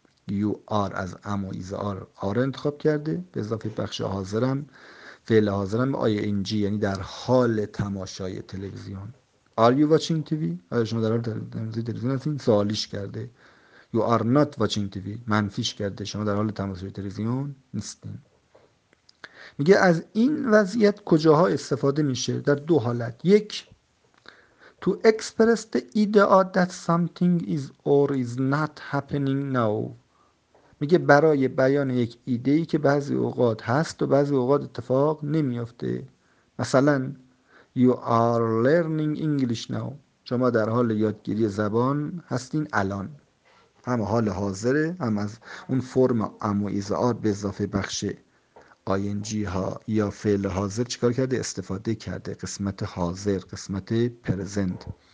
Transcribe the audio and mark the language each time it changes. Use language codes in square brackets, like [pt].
[en] You are [fa] از am و is are انتخاب کرده، به اضافه بخش حاضرم، فعل حاضرم ing، یعنی در حال تماشای تلویزیون. [en] Are you watching TV؟ [fa] آیا شما در حال تماشای تلویزیون هستین؟ سوالیش کرده. [en] You are not watching TV، [fa] منفیش کرده، شما در حال تماشای تلویزیون نیستین. میگه از این وضعیت کجاها استفاده میشه؟ در دو حالت. یک، [en] to express the idea that something is or is not happening now. [fa] میگه برای بیان یک ایده ای که بعضی اوقات هست و بعضی اوقات اتفاق نمیافته. مثلا [en] you are learning English now، [fa] شما در حال یادگیری زبان هستین الان، هم حال حاضره، هم از اون فرم ام و ایز آر به اضافه بخش ing ها یا فعل حاضر چیکار کرده؟ استفاده کرده، قسمت حاضر، قسمت پرزنت.